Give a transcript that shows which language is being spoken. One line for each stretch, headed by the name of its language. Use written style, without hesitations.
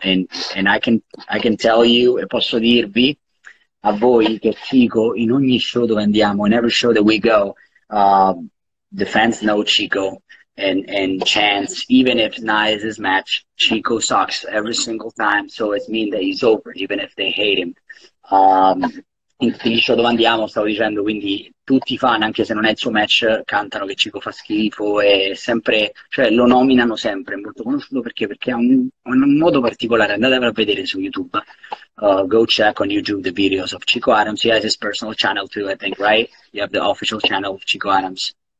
English: And I can tell you,
Italian: e posso dirvi a voi che Chico, in ogni show dove andiamo,
English: in every show that we go, the fans know Chico and chants, even if not is his match, Chico sucks every single time. So it means that he's over, even if they hate him.
Italian: Finisce dove andiamo, stavo dicendo, quindi tutti i fan, anche se non è il suo match, cantano che Chico fa schifo, e sempre, cioè lo nominano sempre, è molto conosciuto, perché ha un modo particolare. Andate a vedere su YouTube,
English: go check on YouTube the videos of Chico Adams. He has his personal channel too, I think, right? You have the official channel of Chico Adams.